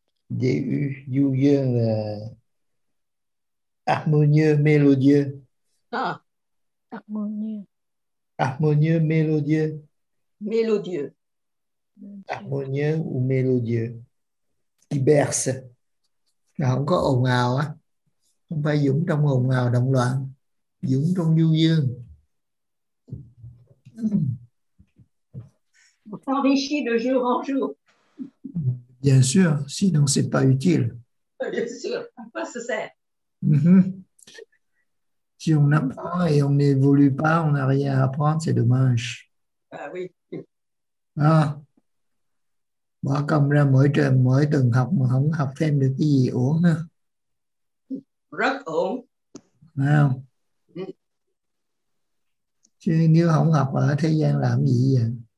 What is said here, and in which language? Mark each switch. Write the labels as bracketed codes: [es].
[fr] D-U, Jo, Jo, harmonieux, mélodieux. Ah, harmonieux. Harmonieux, mélodieux. Mélodieux. Harmonieux ou mélodieux. Qui berce. [vi] Không có ồn ào á. Không phải Dũng trong ồn ào động loạn. Dũng trong du dương. [fr] On s'enrichit de jour en jour. Bien sûr, sinon c'est pas utile. Bien sûr, à quoi ça sert? Si on apprend et on n'évolue pas, on n'a rien à apprendre, c'est dommage. Ah oui. Ah. [vi] Bỏ công ra mỗi trường, mỗi tuần học mà không học thêm được cái gì uổng nữa. Rất uổng. Phải không? Chứ nếu không học ở thế gian làm gì vậy?